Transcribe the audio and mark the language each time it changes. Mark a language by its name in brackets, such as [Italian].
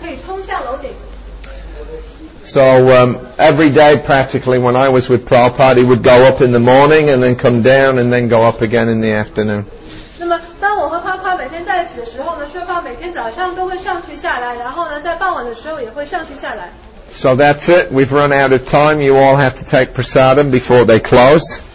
[Chinese] 那么这里呢，这台阶呢就可以通向楼顶。 [English] So every day, practically, when I was with Prabhupada, he would go up in the morning and then come down and then go up again in the afternoon. [Chinese] 那么当我和Prabhupada每天在一起的时候呢，薛帕每天早上都会上去下来，然后呢，在傍晚的时候也会上去下来。 [English] So that's it. We've run out of time. You all have to take prasadam before they close.